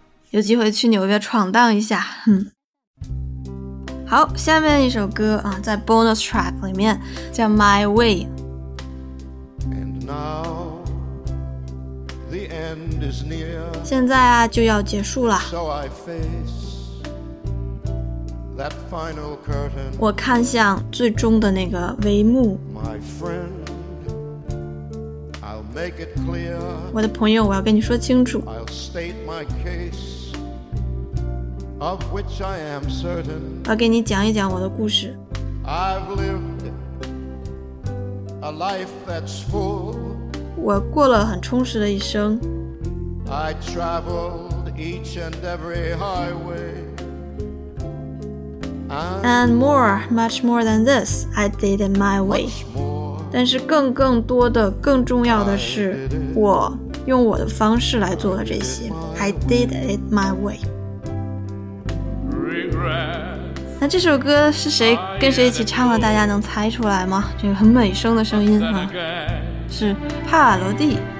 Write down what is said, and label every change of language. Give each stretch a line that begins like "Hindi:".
Chinese: 有机会去纽约闯荡一下，好，下面一首歌在 bonus track 里面叫 My Way。
English: And now, the end is near,
Chinese: 现在啊就要结束了、
English: so、I face that final curtain,
Chinese: 我看向最终的那个帷幕。
English: My friend, I'll make it clear,
Chinese: 我的朋友，我要跟你说清楚。
English: I'll state my case of which I am certain.
Chinese: 我给你讲一讲我的故事。
English: I've lived a life that's full.
Chinese: 我过了很充实的一生。
English: I traveled each and every highway. And more, much more than this, I did it my way.
Chinese: 但是更更多的更重要的是我用我的方式来做了这些。
English: I did it my way. Regret.
Chinese: 那这首歌是谁跟谁一起唱的，大家能猜出来吗？这个很美声的声音啊，是帕瓦罗蒂。